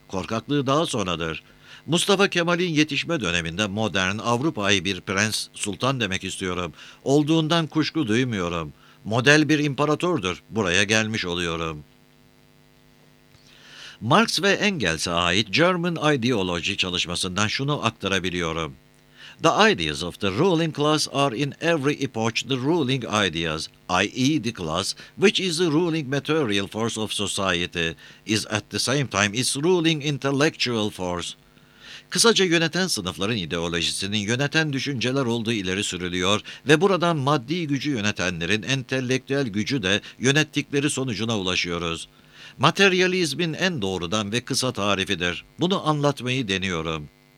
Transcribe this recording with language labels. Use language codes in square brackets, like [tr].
[tr] Korkaklığı daha sonradır. Mustafa Kemal'in yetişme döneminde modern, Avrupa'yı bir prens, sultan demek istiyorum. Olduğundan kuşku duymuyorum. Model bir imparatordur. Buraya gelmiş oluyorum. Marx ve Engels'e ait German Ideology çalışmasından şunu aktarabiliyorum. [en] The ideas of the ruling class are in every epoch the ruling ideas, i.e. the class, which is the ruling material force of society, is at the same time its ruling intellectual force. [tr] Kısaca yöneten sınıfların ideolojisinin yöneten düşünceler olduğu ileri sürülüyor ve buradan maddi gücü yönetenlerin entelektüel gücü de yönettikleri sonucuna ulaşıyoruz. Materyalizmin en doğrudan ve kısa tarifidir. Bunu anlatmayı deniyorum.